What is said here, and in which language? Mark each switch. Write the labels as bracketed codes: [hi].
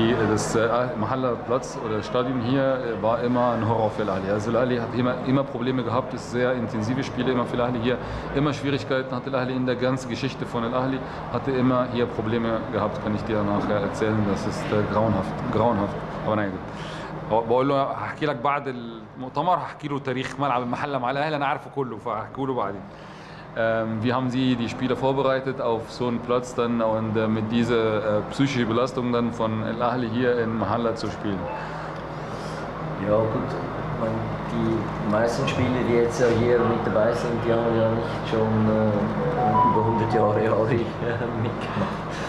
[de] Das Mahalla-Platz oder Stadion hier war immer ein Horror für Al-Ahli. Also Al-Ahli hat immer Probleme gehabt, es sind sehr intensive Spiele immer für Al-Ahli hier. Immer Schwierigkeiten hatte Al-Ahli in der ganzen Geschichte von Al-Ahli, hatte immer hier Probleme gehabt, kann ich dir nachher erzählen. Das ist grauenhaft, grauenhaft. Aber nein, gut. [ar] بقول له هحكي لك بعد المؤتمر، هحكي له تاريخ ملعب المحلة مع الأهلي، أنا عارفه كله فهحكي له بعدين. [de] Wie haben Sie die Spieler vorbereitet auf so einen Platz dann und mit dieser psychischen Belastung dann von Al Ahly hier in Mahalla zu spielen? Ja gut, die meisten Spieler, die jetzt hier mit dabei sind, die haben ja nicht schon über 100 Jahre Ahly mitgemacht.